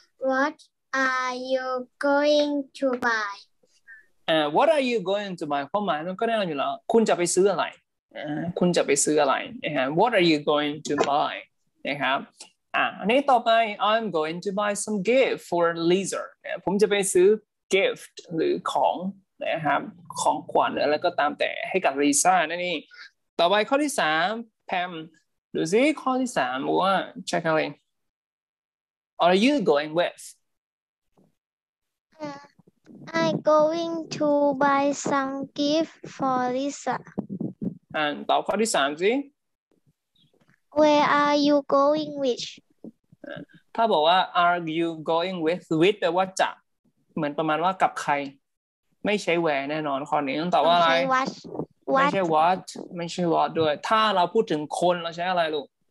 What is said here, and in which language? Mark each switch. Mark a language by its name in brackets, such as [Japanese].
[English] What are you going to buy What are you going to buy? [Thai] ความหมายมันก็แน่นอนอยู่แล้วคุณจะไปซื้ออะไรคุณจะไปซื้ออะไรนะฮะ [English] What are you going to buy? [Thai] นะครับอันนี้ต่อไป [English] I'm going to buy some gift for Lisa [Thai] ผมจะไปซื้อ gift หรือของนะครับของขวัญแล้วก็ตามแต่ให้กับ Lisa นั่นเองต่อไปข้อที่3 Pam ดูซิข้อที่3ว่า [English] check out [Thai] เลย [English] Are you going with I'm going to buy some gift for Lisa. [Thai] And ตอบข้อที่3สิ [English] Where are you going with? [Thai] ถ้าบอกว่า [English] Are you going with [Thai] แปลว่าจะเหมือนประมาณว่ากับใครไม่ใช่ where แน่นอนข้อนี้ต้องตอบว่าอะไรไม่ใช่ what ไม่ใช่ what ด้วยถ้าเราพูดถึงคนเราใช้อะไรลูก